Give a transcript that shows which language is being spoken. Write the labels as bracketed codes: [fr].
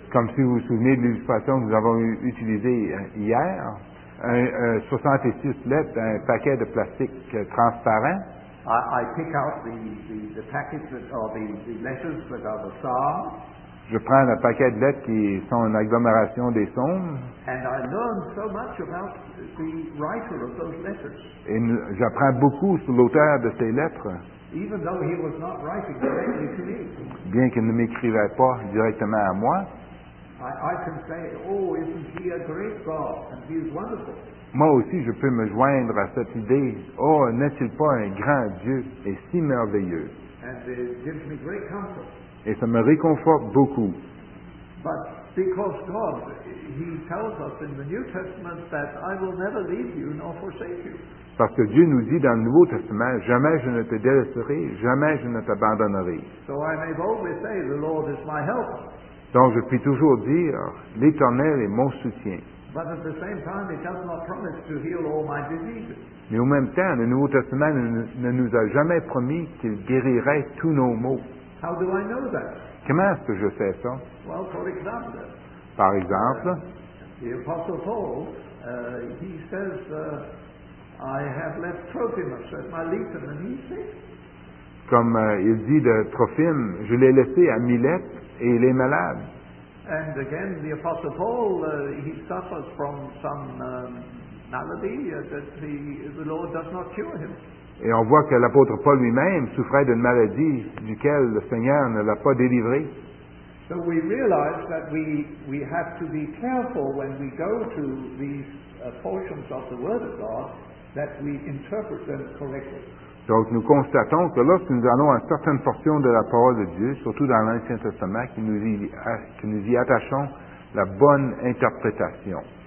[fr] Comme si vous souvenez de l'illustration que nous avons utilisée hier, 66 lettres d'un paquet de plastique transparent. [en] I pick out the packets that are the letters that are the Psalms. [fr] Je prends un paquet de lettres qui sont une agglomération des psaumes. [en] And I learn so much about the writer of those letters. [fr] Et j'apprends beaucoup sur l'auteur de ces lettres. [en] Even though he was not writing directly to me. [fr] Bien qu'il ne m'écrivait pas directement à moi. [en] I can say, oh, isn't he a great God? And he is wonderful. [fr] Moi aussi, je peux me joindre à cette idée. Oh, n'est-il pas un grand Dieu et si merveilleux? [en] And it gives me great comfort. [fr] Et ça me réconforte beaucoup. [en] But because God, he tells us in the New Testament that I will never leave you nor forsake you. [fr] Parce que Dieu nous dit dans le Nouveau Testament, jamais je ne te délaisserai, jamais je ne t'abandonnerai. [en] So I may always say, the Lord is my helper. [fr] Donc je puis toujours dire, l'Éternel est mon soutien. [en] But at the same time, he does not promise to heal all my diseases. [fr] Mais au même temps, le Nouveau Testament ne nous a jamais promis qu'il guérirait tous nos maux. [en] How do I know that? [fr] Comment est-ce que je sais ça? [en] Well, for example, [fr] par exemple, [en] the Apostle Paul, he says, I have left Trophimus at Miletus, and he's sick. [fr] Comme il dit de Trophime, je l'ai laissé à Milet et il est malade. [en] And again, the Apostle Paul, he suffers from some malady that the Lord does not cure him. [fr] Et on voit que l'apôtre Paul lui-même souffrait d'une maladie duquel le Seigneur ne l'a pas délivré. [en] So we realize that we have to be careful when we go to these portions of the Word of God that we interpret them correctly. [fr] Donc nous constatons que lorsque nous allons à certaines portions de la parole de Dieu, surtout dans l'Ancien Testament, que nous y attachons la bonne interprétation.